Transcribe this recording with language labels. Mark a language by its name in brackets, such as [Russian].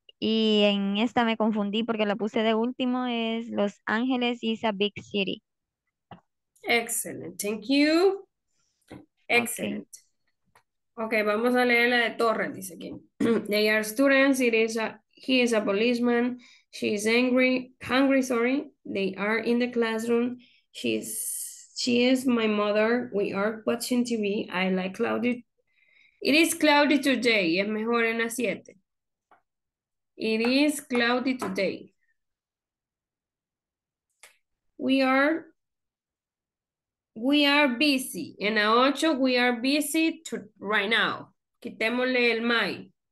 [Spanish] Y en esta me confundí porque la puse de último. [English] Es Los Ángeles is a big city. Excellent, thank you. Excellent. Okay, [Spanish] vamos a leer la de Torres, dice aquí. [English] They are students, he is a policeman, she is hungry, they are in the classroom, she is my mother, we are watching TV, I like cloudy. It is cloudy today, [Spanish] es mejor en las 7. [English] It is cloudy today. We are busy. [Spanish] En la 8, [English] we are busy to, right now. [Spanish] Quitémosle el [English] my.